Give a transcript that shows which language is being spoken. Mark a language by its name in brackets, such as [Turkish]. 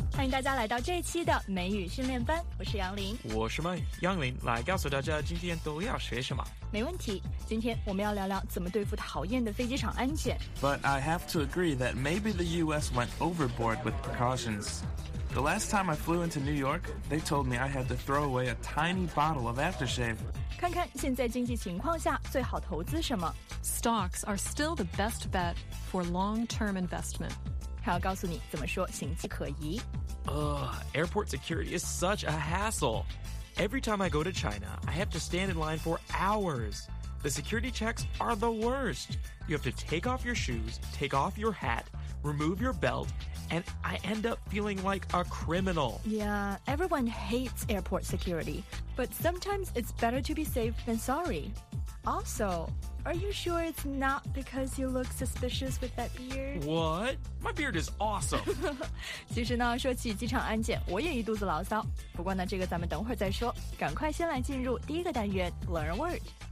[Chinese] 大家来到这期的美语训练班，我是杨林。我是麦杨林，来告诉大家今天都要学什么。没问题，今天我们要聊聊怎么对付讨厌的飞机场安检。 [English] But I have to agree that maybe the US went overboard with precautions. The last time I flew into New York, they told me I had to throw away a tiny bottle of aftershave. [Chinese] 看看现在经济情况下最好投资什么。 [English] Stocks are still the best bet for long-term investment. [Chinese] 还要告诉你怎么说行迹可疑。 [English] Airport security is such a hassle. Every time I go to China, I have to stand in line for hours. The security checks are the worst. You have to take off your shoes, take off your hat, remove your belt, and I end up feeling like a criminal. Yeah, everyone hates airport security. But sometimes it's better to be safe than sorry. Also, are you sure it's not because you look suspicious with that beard? What? My beard is awesome. [Chinese] 其实呢，说起机场安检，我也一肚子牢骚。不过呢，这个咱们等会儿再说。赶快先来进入第一个单元 , Learn a Word.